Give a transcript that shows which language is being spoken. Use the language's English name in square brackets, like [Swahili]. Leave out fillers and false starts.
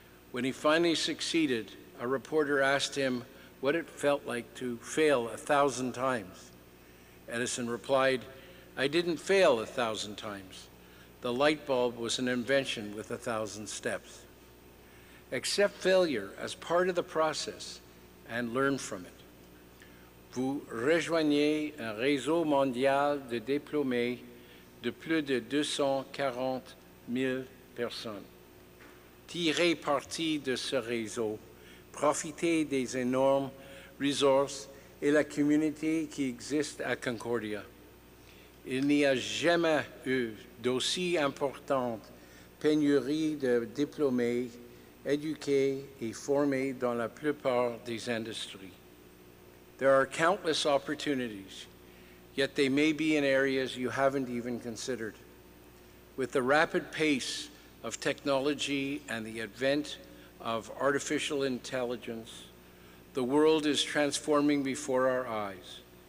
[English] When he finally succeeded, a reporter asked him what it felt like to fail 1,000 times. Edison replied, "I didn't fail 1,000 times. The light bulb was an invention with 1,000 steps." Accept failure as part of the process and learn from it. [French] Vous rejoignez un réseau mondial de diplômés de plus de 240 000 personnes. Tirez parti de ce réseau, profitez des énormes ressources et la communauté qui existe à Concordia. Il n'y a jamais eu d'aussi importante pénurie de diplômés éduqués et formés dans la plupart des industries. [English] There are countless opportunities, yet they may be in areas you haven't even considered. With the rapid pace of technology and the advent of artificial intelligence, the world is transforming before our eyes.